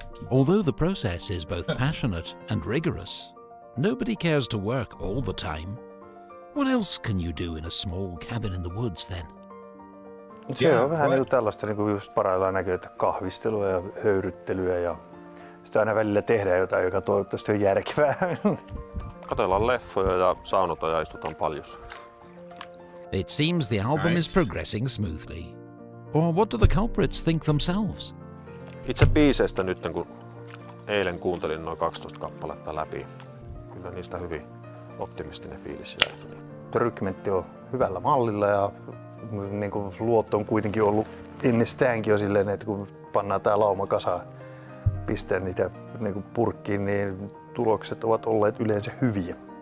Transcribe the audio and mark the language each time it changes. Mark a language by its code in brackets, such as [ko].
[en] Although the process is both passionate and rigorous, nobody cares to work all the time. What else can you do in a small cabin in the woods then? [fi] Se on vähän niin tällaista niinku just parhaillaan näkyy, että kahvistelua ja höyryttelyä ja sitä aina välillä tehdään jotain, joka toivottavasti on järkevää. Katellaan leffoja ja saunotaan ja istutaan paljussa. [en] It seems the album nice. Is progressing smoothly. Or what do the culprits think themselves? [fi] Itse biiseistä nyt, kun eilen kuuntelin noin 12 kappaletta läpi, kyllä niistä hyvin optimistinen fiilis jäi. Rykmentti on hyvällä mallilla ja niin kuin luotto on kuitenkin ollut ennestäänkin jo silleen, että kun pannaan tää lauma kasaan, pistää niitä niin kuin purkkiin, niin tulokset ovat olleet yleensä hyviä.